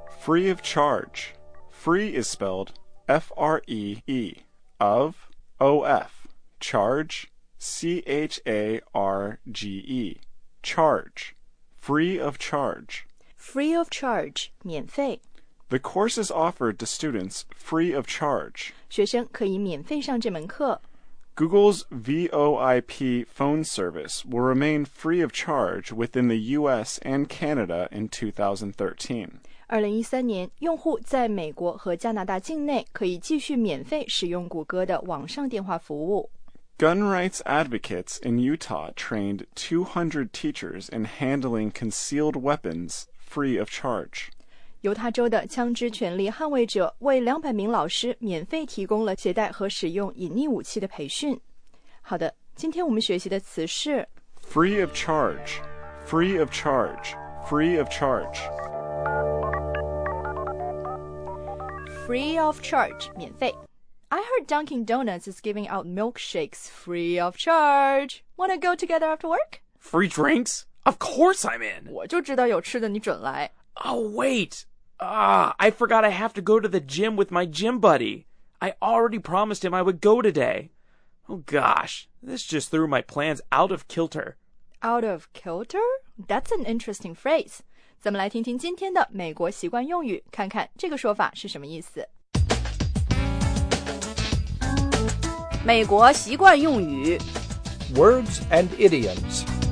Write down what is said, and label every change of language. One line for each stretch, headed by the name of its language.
English: Free of charge. Free is spelled F-R-E-E. Of, O-F. Charge. C-H-A-R-G-E, charge, free of charge. Free of charge, 免费. The course is offered to students free of charge.
Chinese: 学生可以免费上这门课.
English: Google's VoIP phone service will remain free of charge within the U.S. and Canada in 2013.
Chinese: 2013年，用户在美国和加拿大境内可以继续免费使用谷歌的网上电话服务。
English: Gun rights advocates in Utah trained 200 teachers in handling concealed weapons free of charge.
Chinese: 犹他州的枪支权利捍卫者为200名老师免费提供了携带和使用隐匿武器的培训。好的，今天我们学习的词是
English: free of charge, free of charge, free of charge. Free of charge, 免费。I heard Dunkin' Donuts is giving out milkshakes free of charge. Wanna go together after work? Free drinks? Of course I'm in!
Chinese: 我就知道有吃的你准来。
English: Oh, wait! I forgot I have to go to the gym with my gym buddy. I already promised him I would go today. Oh gosh, this just threw my plans out of kilter. Out of kilter? That's an interesting phrase.
Chinese: 咱们来听听今天的美国习惯用语，看看这个说法是什么意思。美国习惯用语
English: Words and idioms